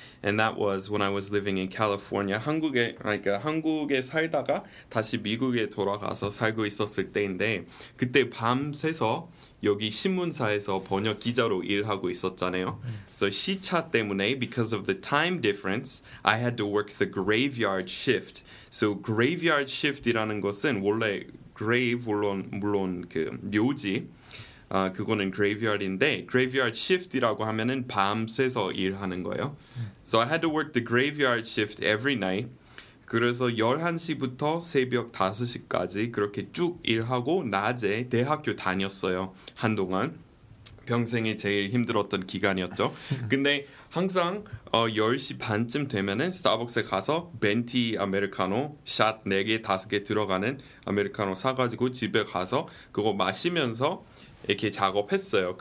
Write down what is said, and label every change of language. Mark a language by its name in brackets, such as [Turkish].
[English] And that was when I was living in California. [Korean] 한국에 살다가 다시 미국에 돌아가서 살고 있었을 때인데 그때 밤새서 여기 신문사에서 번역 기자로 일하고 있었잖아요. [English] So [Korean] 시차 때문에 [English] because of the time difference, I had to work the graveyard shift. [Korean] So graveyard shift이라는 것은 원래 grave 물론 그 묘지 그거는 graveyard인데 graveyard shift이라고 하면은 밤새서 일하는 거예요. [English] So I had to work the graveyard shift every night. [Korean] 그래서 11시부터 새벽 5시까지 그렇게 쭉 일하고 낮에 대학교 다녔어요. 한동안 평생에 제일 힘들었던 기간이었죠. 근데 항상 10시 반쯤 되면은 스타벅스에 가서 벤티 아메리카노 샷 4개 5개 들어가는 아메리카노 사가지고 집에 가서 그거 마시면서 이렇게 작업했어요.